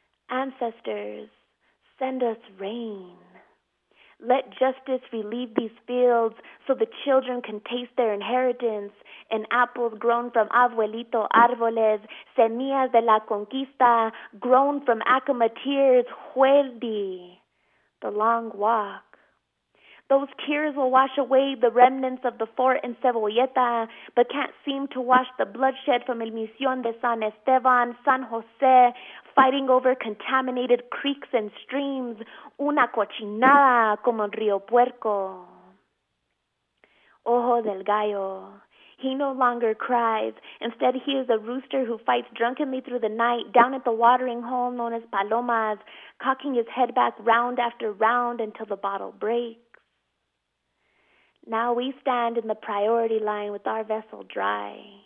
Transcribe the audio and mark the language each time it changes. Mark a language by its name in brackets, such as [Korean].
[English] Ancestors, send us rain. Let justice relieve these fields so the children can taste their inheritance and apples grown from [Spanish] abuelito árboles, semillas de la conquista, [English] grown from Acoma tears, Hueldi, the long walk. Those tears will wash away the remnants of the fort in Cebolleta, but can't seem to wash the bloodshed from El Mision de San Esteban, San Jose, fighting over contaminated creeks and streams. [Spanish] Una cochinada como el Río Puerco. [English] Ojo del Gallo. He no longer cries. Instead, he is a rooster who fights drunkenly through the night down at the watering hole known as Palomas, cocking his head back round after round until the bottle breaks. Now we stand in the priority line with our vessel dry.